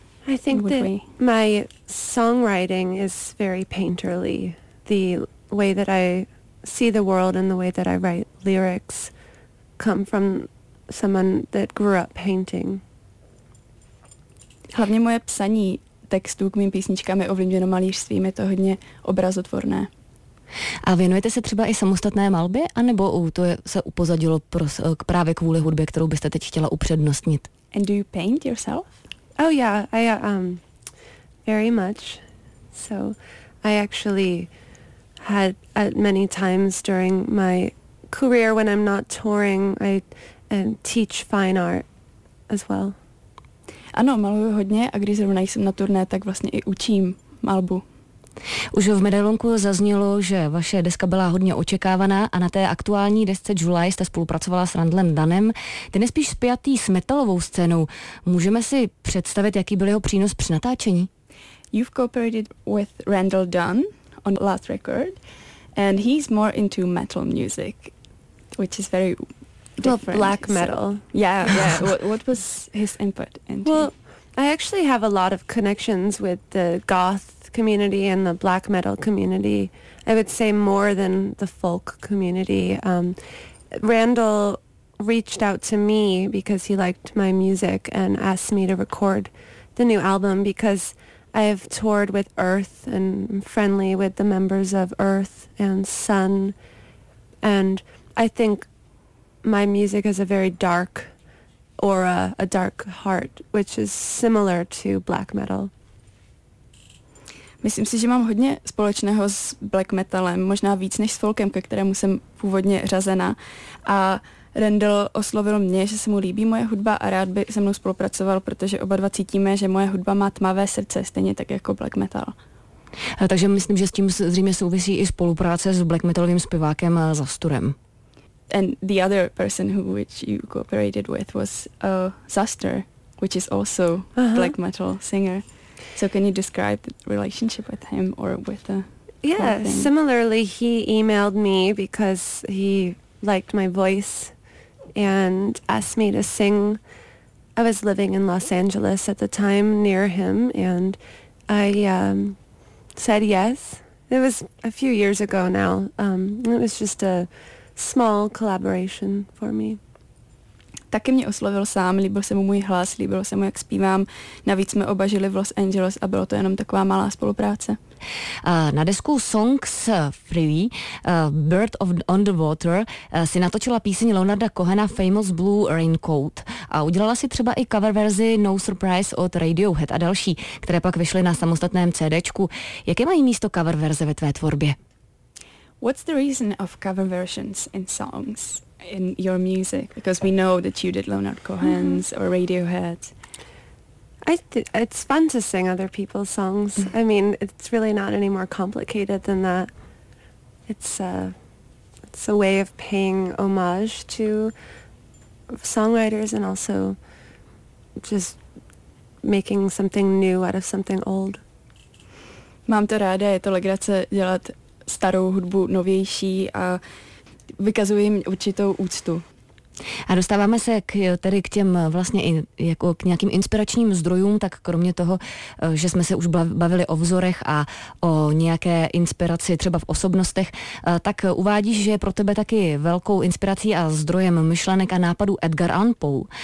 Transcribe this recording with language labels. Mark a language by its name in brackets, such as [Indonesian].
[English] I think that my songwriting is very painterly. The way that I see the world and the way that I write lyrics come from someone that grew up painting. [Czech] Hlavně moje psaní textů k mým písničkám je ovlivněno malířstvím, je to hodně obrazotvorné. A věnujete se třeba i samostatné malbě, anebo to se upozadilo právě kvůli hudbě, kterou byste teď chtěla upřednostnit? [English] And do you paint yourself? Oh yeah, I very much. So I actually had at many times during my career when I'm not touring, I teach fine art as well. [Czech] Ano, maluju hodně a když zrovna jsem na turné, tak vlastně i učím malbu. Už v medailonku zaznělo, že vaše deska byla hodně očekávaná a na té aktuální desce July jste spolupracovala s Randlem Dunnem. Ten je spíš spjatý s metalovou scénou. Můžeme si představit, jaký byl jeho přínos při natáčení? [English] You've cooperated with Randall Dunn on the last record and he's more into metal music, which is very different. Well, black metal. So, yeah, yeah. What was his input into? Well, I actually have a lot of connections with the goth community and the black metal community. I would say more than the folk community. Randall reached out to me because he liked my music and asked me to record the new album because I have toured with Earth and I'm friendly with the members of Earth and Sun. And I think my music has a very dark aura, a dark heart, which is similar to black metal. [Czech] Myslím si, že mám hodně společného s black metalem, možná víc než s folkem, ke kterému jsem původně řazena. A Randall oslovil mě, že se mu líbí moje hudba a rád by se mnou spolupracoval, protože oba dva cítíme, že moje hudba má tmavé srdce, stejně tak jako black metal. Takže myslím, že s tím zřejmě souvisí i spolupráce s black metalovým zpěvákem Zasturem. [English] And the other person who which you cooperated with was Zastur, which is also black metal singer. So can you describe the relationship with him or with the... Yeah, similarly, he emailed me because he liked my voice and asked me to sing. I was living in Los Angeles at the time near him and I said yes. It was a few years ago now. It was just a small collaboration for me. [Czech] Taky mě oslovil sám, líbil se mu můj hlas, líbilo se mu, jak zpívám. Navíc jsme oba žili v Los Angeles a bylo to jenom taková malá spolupráce. Na desku Songs Free, Bird of on the Water, si natočila píseň Leonarda Cohena Famous Blue Raincoat a udělala si třeba i cover verzi No Surprise od Radiohead a další, které pak vyšly na samostatném CDčku. Jaké mají místo cover verze ve tvé tvorbě? [English] What's the reason of cover versions in songs? In your music, because we know that you did Leonard Cohen's or Radiohead's. It's fun to sing other people's songs. I mean, it's really not any more complicated than that. It's a way of paying homage to songwriters and also just making something new out of something old. [Czech] Mám to ráda, je to legrace dělat starou hudbu novější a vykazuji jim určitou úctu. A dostáváme se k těm vlastně jako k nějakým inspiračním zdrojům, tak kromě toho, že jsme se už bavili o vzorech a o nějaké inspiraci třeba v osobnostech, tak uvádíš, že je pro tebe taky velkou inspirací a zdrojem myšlenek a nápadů Edgar Allan Poe.